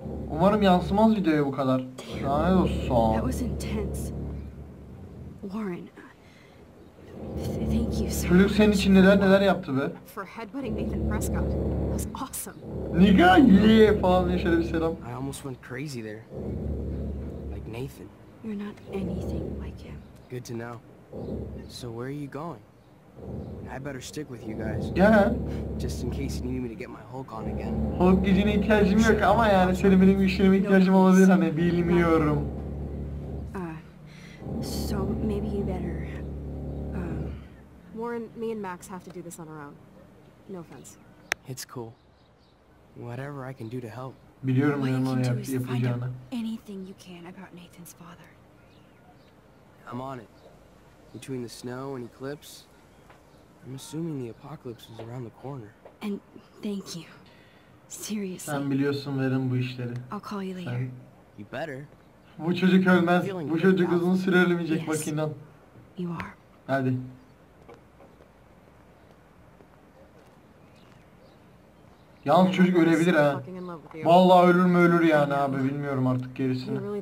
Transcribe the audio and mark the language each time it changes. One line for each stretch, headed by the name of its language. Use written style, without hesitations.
Turkish: Umarım yansımaz videoya bu kadar. Lanet olsun.
English: That was intense. Warren. Thank you so much.
Turkish: Sherlock senin için neler neler yaptı be.
English: For headbutting Nathan Prescott. That was awesome.
Turkish: Nigga yeah falan diye şöyle bir selam.
English: I almost went crazy there. Like Nathan. You're not anything like him. Good to know. So where are you going? I better stick with you guys. Yeah. Just in case you need me to get my Hulk on again.
Turkish: Hulk gücüne ihtiyacım yok ama yani senin benim işime ihtiyacım olabilir hani bilmiyorum.
English: So maybe you better. Warren, me and Max have to do this on our own. No offense. It's cool. Whatever I can do to help.
Turkish: Biliyorum ben onu yapacağını.
English: Anything you can about Nathan's father. I'm on it. Between the snow and eclipse, I'm assuming the apocalypse is around the corner. And thank you. Seriously.
Turkish: Sen biliyorsun verin bu işleri.
English: I'll call you later. You better.
Turkish: Bu çocuk ölmez. Bu çocuk uzun süre ölmeyecek bak inan.
English: You are.
Turkish: Hadi. Yalnız çocuk ölebilir ha. Vallahi ölür mü ölür yani abi bilmiyorum artık gerisini.